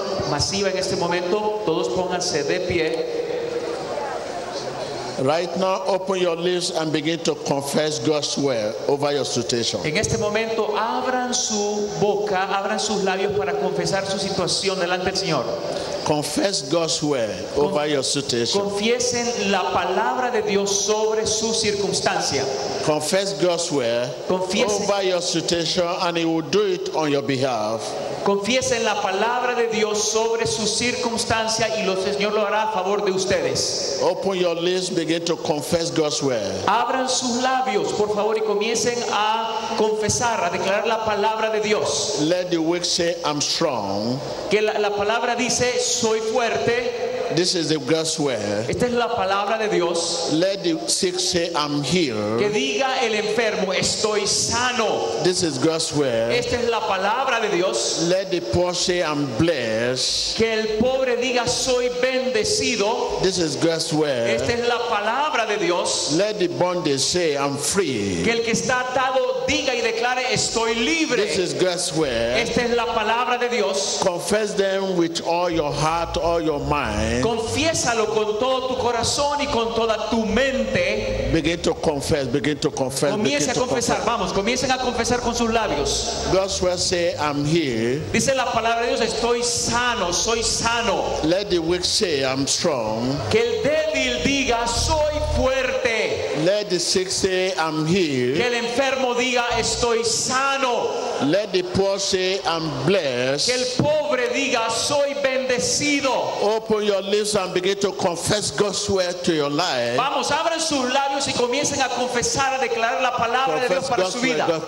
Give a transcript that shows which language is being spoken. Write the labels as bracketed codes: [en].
[es] Masiva en este momento, todos pónganse de pie. [en] Right now, open your lips and begin to confess God's word over your situation. [es] En este momento, abran su boca, abran sus labios para confesar su situación delante del Señor. [en] Confess God's word over your situation. [es] Confiesen la palabra de Dios sobre su circunstancia. [en] Confess God's word over your situation, and He will do it on your behalf. [es] Confiesen la palabra de Dios sobre su circunstancia y el Señor lo hará a favor de ustedes. [en] Open your lips, begin to confess God's word. [es] Abran sus labios, por favor, y comiencen a confesar, a declarar la palabra de Dios. [en] Let the weak say, I'm strong. [es] Que la palabra dice, soy fuerte. [en] This is the God's word. [es] Esta es la palabra de Dios. [en] Let the sick say, I'm healed. [es] Que diga el enfermo, estoy sano. [en] This is God's word. [es] Esta es la palabra de Dios. [en] Let the poor say, I'm blessed. [es] Que el pobre diga, soy bendecido. [en] This is God's word. [es] Esta es la palabra de Dios. [en] Let the bondage say, I'm free. [es] Que el que está atado diga y declare, estoy libre. [en] This is God's word. [es] Esta es la palabra de Dios. [en] Confess them with all your heart, all your mind. [es] Confiésalo con todo tu corazón y con toda tu mente. [en] Begin to confess, begin to confess. [es] Comience [en] begin [es] a confesar, [en] confess. [es] Vamos, comiencen a confesar con sus labios. [en] God's word say, I'm here. [es] Dice la palabra de Dios, estoy sano, soy sano. [en] Let the weak say, I'm strong. [es] Que el débil diga, soy fuerte. [en] Let the sick say, I'm here. [es] Que el enfermo diga, estoy sano. [en] Let the poor say, I'm blessed. [es] Que el pobre diga, soy bendecido. [en] Open your lips and begin to confess God's word to your life. [es] Vamos, abran sus labios y comiencen a confesar, a declarar la palabra de Dios para su vida.